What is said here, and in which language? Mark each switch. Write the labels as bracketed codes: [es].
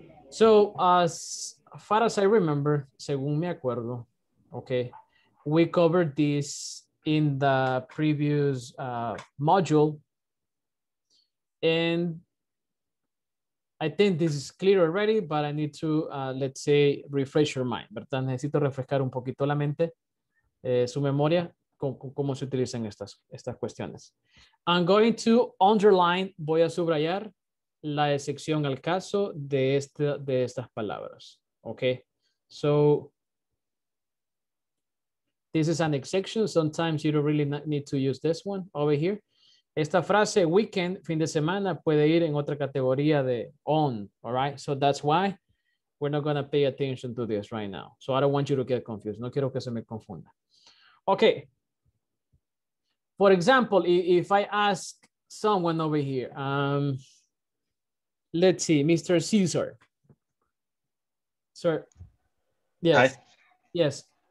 [en] So, as far as I remember, [es] según me acuerdo, [en] okay, we covered this in the previous module. And I think this is clear already, but I need to, let's say, refresh your mind. [es] ¿Verdad? Necesito refrescar un poquito la mente, su memoria, cómo se utilizan estas cuestiones. [en] I'm going to underline, [es] voy a subrayar la excepción al caso de estas palabras. [en] Okay, so this is an exception. Sometimes you don't really need to use this one over here. [es] Esta frase, weekend, fin de semana, puede ir en otra categoría de on, all right? [en] So that's why we're not going to pay attention to this right now. So I don't want you to get confused. [es] No quiero que se me confunda. [en] Okay. For example, if I ask someone over here, let's see, Mr. Caesar. Sir. Yes. Hi. Yes.